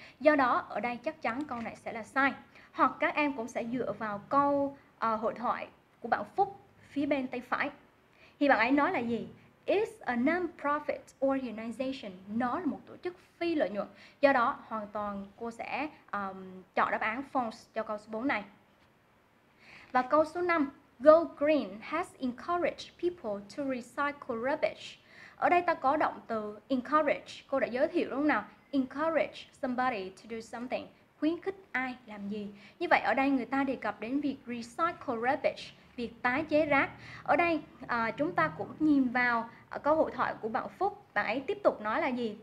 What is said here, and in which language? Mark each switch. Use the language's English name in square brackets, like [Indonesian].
[Vietnamese] Do đó ở đây chắc chắn câu này sẽ là sai, hoặc các em cũng sẽ dựa vào câu hội thoại của bạn Phúc phía bên tay phải thì bạn ấy nói là gì. [English] It's a non-profit organization. [Vietnamese] Nó là một tổ chức phi lợi nhuận. Do đó, hoàn toàn cô sẽ chọn đáp án false cho câu số 4 này. Và câu số 5. [English] Go Green has encouraged people to recycle rubbish. [Vietnamese] Ở đây ta có động từ encourage. Cô đã giới thiệu đúng không nào? [English] Encourage somebody to do something. [Vietnamese] Khuyến khích ai làm gì. Như vậy, ở đây người ta đề cập đến việc [English] recycle rubbish, [Vietnamese] việc tái chế rác. Ở đây chúng ta cũng nhìn vào câu hội thoại của bạn Phúc, bạn ấy tiếp tục nói là gì?